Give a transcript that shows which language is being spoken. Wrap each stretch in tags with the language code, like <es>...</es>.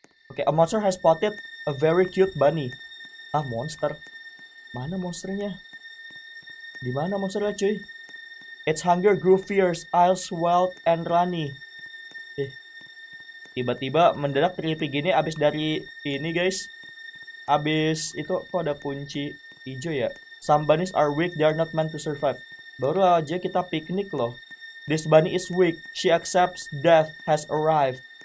<en>Oke, okay, a monster has spotted a very cute bunny. Ah, monster.</en> <id>Mana monsternya? Di mana monsternya cuy?</id> <en>Its hunger grew fierce, eyes wild and runny.</en> <id>Tiba-tiba mendadak creepy gini abis dari ini guys. Abis itu kok ada kunci hijau ya?</id> <en>Some bunnies are weak, they are not meant to survive.</en> <id>Baru aja kita piknik loh.</id> <en>This bunny is weak. She accepts death has arrived.</en>